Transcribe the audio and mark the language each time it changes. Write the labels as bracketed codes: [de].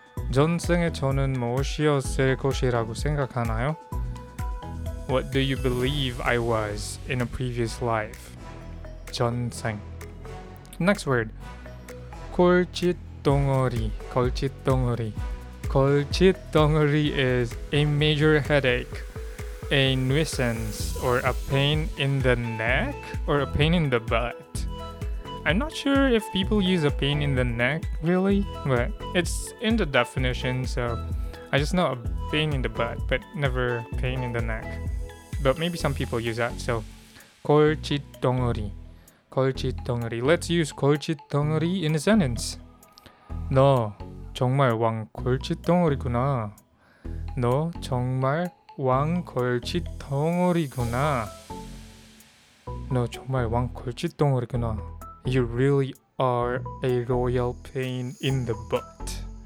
[ko] 전생에 저는 무엇이었을 것이라고 생각하나요? [en] What do you believe I was in a previous life? 전생. Next word. 골칫덩어리. 골칫덩어리. 골칫덩어리 is a major headache, a nuisance, or a pain in the neck, or a pain in the butt. I'm not sure if people use a pain in the neck, really, but it's in the definition, so I just know a pain in the butt, but never pain in the neck. But maybe some people use that, so 골칫덩어리. 골칫덩어리. Let's use 골칫덩어리 in a sentence. [ko] 너 정말 왕 골칫덩어리구나. 너 정말 왕 골칫덩어리구나. 너 정말 왕 골칫덩어리구나. [en] You really are a royal pain in the butt.